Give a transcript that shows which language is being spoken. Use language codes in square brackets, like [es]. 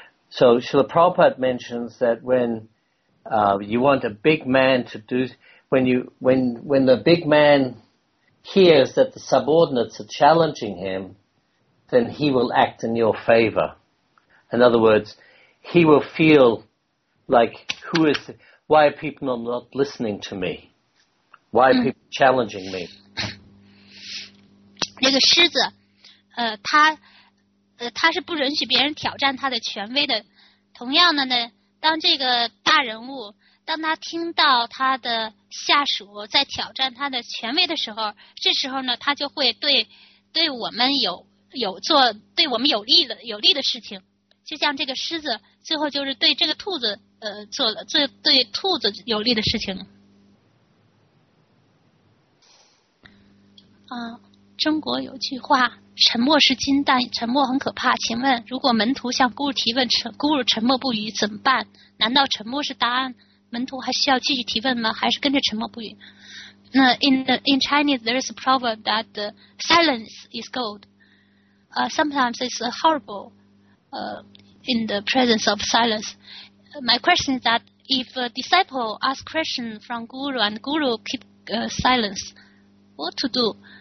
[en] So Srila Prabhupada mentions that when you want a big man to do, when the big man hears that the subordinates are challenging him, then he will act in your favor. In other words, he will feel like, why are people not listening to me? Why are people challenging me? [zh] 那个狮子，他是不允许别人挑战他的权威的。同样的呢，当这个大人物，当他听到他的下属在挑战他的权威的时候，这时候呢，他就会对我们有做对我们有利的事情。就像这个狮子，最后就是对这个兔子，做了最对兔子有利的事情。中国有句话，沉默是金，但沉默很可怕。请问，如果门徒向孤儿提问，孤儿沉默不语怎么办？难道沉默是答案？门徒还需要继续提问吗？还是跟着沉默不语？ [en] 那 in Chinese there is a proverb that the silence is gold. Sometimes it's horrible. In the presence of silence, my question is that if a disciple asks question from guru and guru keep silence, what to do?